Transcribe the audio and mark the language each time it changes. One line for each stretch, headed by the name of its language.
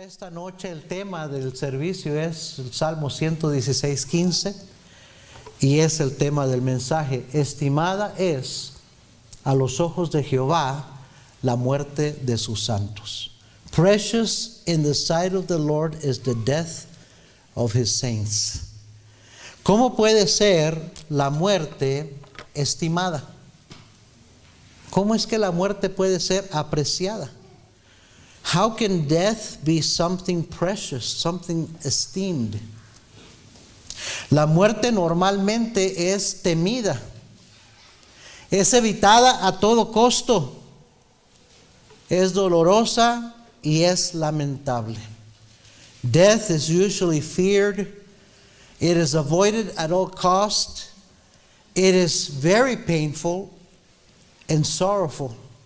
Spanish: noche el tema del servicio es el Salmo 116:15 y es el tema del mensaje: estimada es a los ojos de Jehová la muerte de sus santos.
English: Precious in the sight of the Lord is the death of his saints.
Spanish: ¿Cómo puede ser la muerte estimada? ¿Cómo es que la muerte puede ser apreciada?
English: How can death be something precious, something esteemed?
Spanish: La muerte normalmente es temida, es evitada a todo costo, es dolorosa y es lamentable.
English: Death is usually feared, it is avoided at all cost, it is very painful and sorrowful.